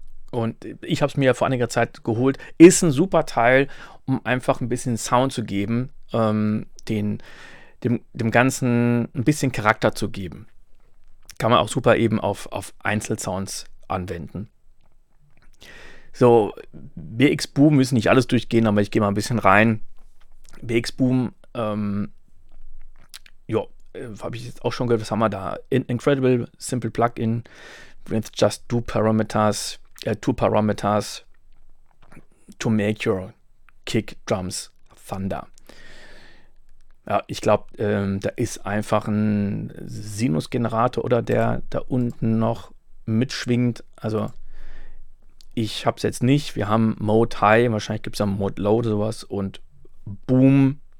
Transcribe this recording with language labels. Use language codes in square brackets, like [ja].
[de] und ich habe es mir vor einiger Zeit geholt, ist ein super Teil, um einfach ein bisschen Sound zu geben, dem Ganzen ein bisschen Charakter zu geben. Kann man auch super eben auf Einzelsounds anwenden. So, BX Boom, müssen nicht alles durchgehen, aber ich gehe mal ein bisschen rein. BX Boom, habe ich jetzt auch schon gehört, was haben wir da? [en] Incredible Simple Plugin with just two parameters to make your kick drums thunder. [de] Ja, ich glaube, da ist einfach ein Sinusgenerator oder der da unten noch mitschwingt. Also ich habe es jetzt nicht. Wir haben Mode High, wahrscheinlich gibt es da Mode Low oder sowas und Boom.